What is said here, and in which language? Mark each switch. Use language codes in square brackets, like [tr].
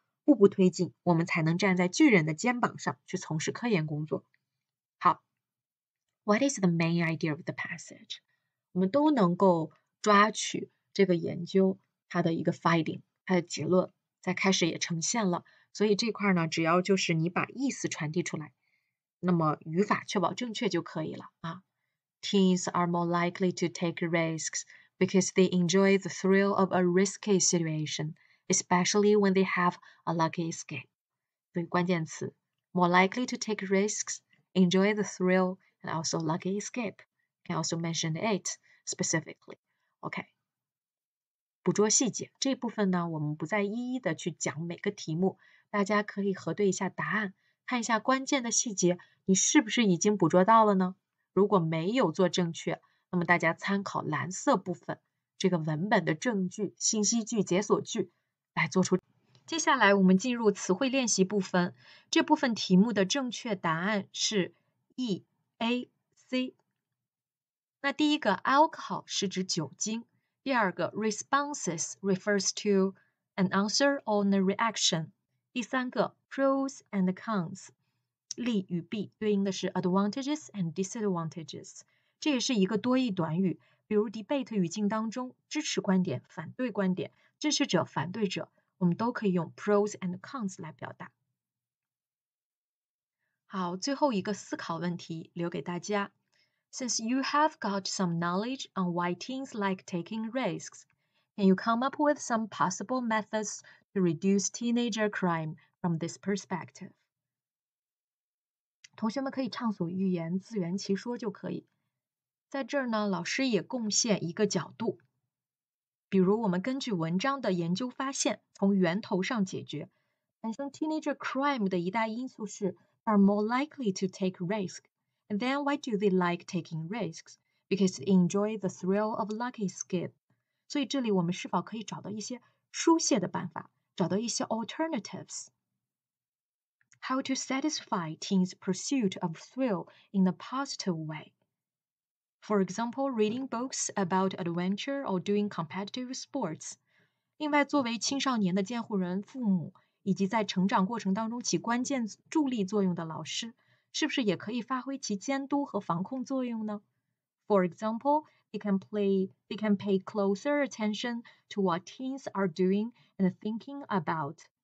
[zh] 步步推进我们才能站在巨人的肩膀上去从事科研工作好 [en] What is the main idea of the passage? [zh] 我们都能够抓取这个研究它的一个 finding， 它的结论在开始也呈现了。所以这块呢，只要就是你把意思传递出来，那么语法确保正确就可以了啊。 [en] Teens are more likely to take risks because they enjoy the thrill of a risky situation, especially when they have a lucky escape. [zh] 所以关键词 [en] more likely to take risks, enjoy the thrill, and also lucky escape. Can also mention it specifically. [zh] OK， 捕捉细节这部分呢，我们不再一一的去讲每个题目，大家可以核对一下答案，看一下关键的细节，你是不是已经捕捉到了呢？如果没有做正确，那么大家参考蓝色部分这个文本的证据、信息句、解锁句来做出。接下来我们进入词汇练习部分，这部分题目的正确答案是 E、A、C。那第一个 alcohol 是指酒精，第二个 [en] responses refers to an answer or a reaction， [zh] 第三个 pros and cons。利与弊对应的是 advantages and disadvantages， 这也是一个多义短语，比如 debate 语境当中，支持观点、反对观点、支持者、反对者，我们都可以用 pros and cons 来表达。好，最后一个思考问题留给大家。 [en] Since you have got some knowledge on why teens like taking risks, can you come up with some possible methods to reduce teenager crime from this perspective? [zh] 同学们可以畅所欲言，自圆其说就可以。在这儿呢，老师也贡献一个角度，比如我们根据文章的研究发现，从源头上解决。本身 teenager crime 的一大因素是 [en] are more likely to take risks. And then why do they like taking risks? Because they enjoy the thrill of lucky escape. [zh] 所以这里我们是否可以找到一些疏泄的办法，找到一些 alternatives? [en] How to satisfy teens' pursuit of thrill in a positive way. For example, reading books about adventure or doing competitive sports. [zh] 另外，作为青少年的监护人、父母，以及在成长过程当中起关键助力作用的老师，是不是也可以发挥其监督和防控作用呢？ [en] For example, they can pay closer attention to what teens are doing and thinking about.